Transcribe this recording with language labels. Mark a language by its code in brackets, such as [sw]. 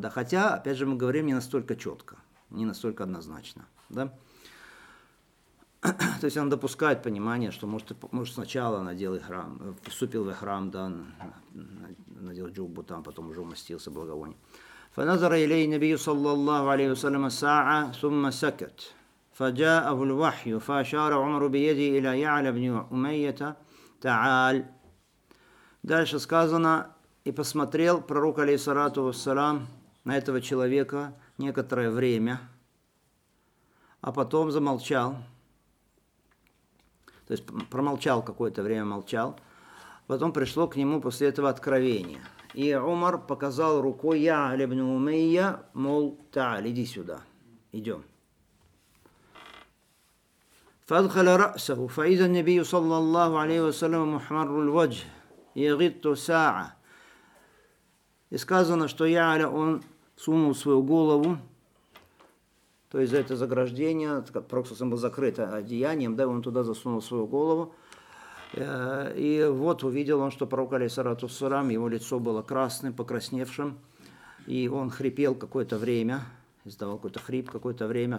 [ru] Да, хотя, опять же, мы говорим не настолько четко, не настолько однозначно. Да? То есть он допускает понимание, что может сначала надел храм, вступил в храм, да, надел джубу там, потом уже умастился благовонием. [ar] Фаназара илей набию саллаллаху алейхи вассалям саа, сумма сакет. فجاء الوحي فاشار عمر بيده الى يعلى بن اميه تعال. [ru] Дальше сказано, и посмотрел пророк алейхиссалату вассалам на этого человека некоторое время, а потом замолчал. То есть промолчал какое-то время, молчал. Потом пришло к нему после этого откровение. И Умар показал рукой يعلى بن اميه, мол, [ar] تعال, [ru] иди сюда. Идём. [ar] فادخل رأسه فإذا النبي صلى الله عليه وسلم محمر الوجه يغط ساعة. [ru] И сказано, что Яля, он сунул свою голову, то есть за это заграждение, проксусом был закрыт одеянием, да, он туда засунул свою голову, и вот увидел он, что пророк алейхиссалату вассалям, его лицо было красным, покрасневшим, и он хрипел какое-то время, издавал какой-то хрип какое-то время.